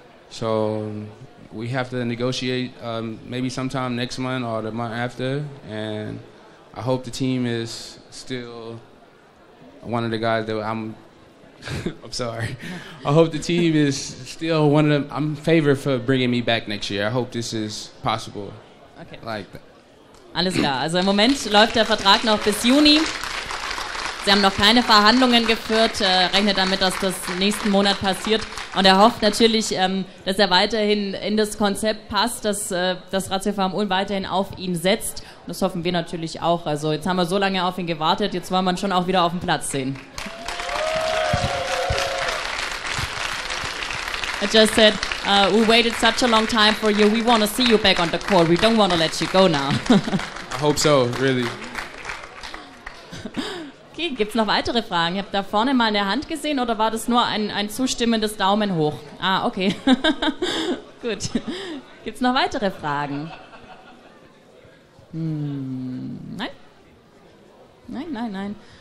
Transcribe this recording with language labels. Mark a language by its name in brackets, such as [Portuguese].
[English] So we have to negotiate maybe sometime next month or the month after. And I hope the team is still one of the guys that I'm sorry. I hope the team is still one of them. I'm favored for bringing me back next year. I hope this is possible. [German] Okay. Alles klar. Also im Moment läuft der Vertrag noch bis Juni. Sie haben noch keine Verhandlungen geführt, rechnet damit, dass das nächsten Monat passiert. Und er hofft natürlich, dass er weiterhin in das Konzept passt, dass das Ratiopharm Ulm weiterhin auf ihn setzt. Und das hoffen wir natürlich auch. Also jetzt haben wir so lange auf ihn gewartet, jetzt wollen wir ihn schon auch wieder auf dem Platz sehen. [English] I just said, we waited such a long time for you, we want to see you back on the court, we don't want to let you go now. I hope so, really. [German] Okay, gibt es noch weitere Fragen? Ich habe da vorne mal eine Hand gesehen oder war das nur ein zustimmendes Daumen hoch? Ah, okay. Gut. Gibt es noch weitere Fragen? Nein.